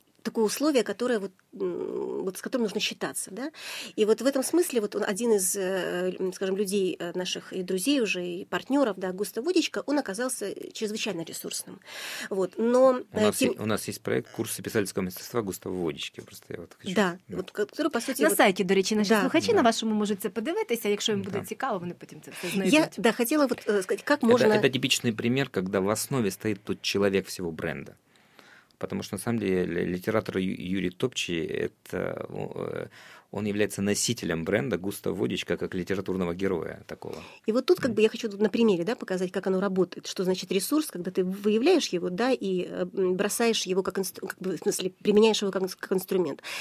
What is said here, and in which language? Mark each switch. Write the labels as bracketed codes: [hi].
[ru] такое условие, которое вот, вот с которым нужно считаться. Да? И вот в этом смысле вот он один из, скажем, людей наших и друзей уже, и партнеров, да, Густав Водичко, он оказался чрезвычайно ресурсным. Вот. Но, У нас есть проект «Курсы писательского мастерства Густава Водички». Просто я вот хочу... Да, вот, который, по сути... [uk] На сайте, до речи, наши слухачи на вашому можете подивитися, якщо їм буде цікаво, вони потім це знайдуть. [ru] Я хотела вот сказать, как можно... Это типичный пример, когда в основе стоит тот человек всего бренда. Потому что, на самом деле, литератор Юрий Топчий, это, он является носителем бренда Густав Водичко как литературного героя такого. И вот тут как бы я хочу на примере, да, показать, как оно работает. Что значит ресурс, когда ты выявляешь его, да, и бросаешь его как инструмент, как бы, в смысле, применяешь его как инструмент.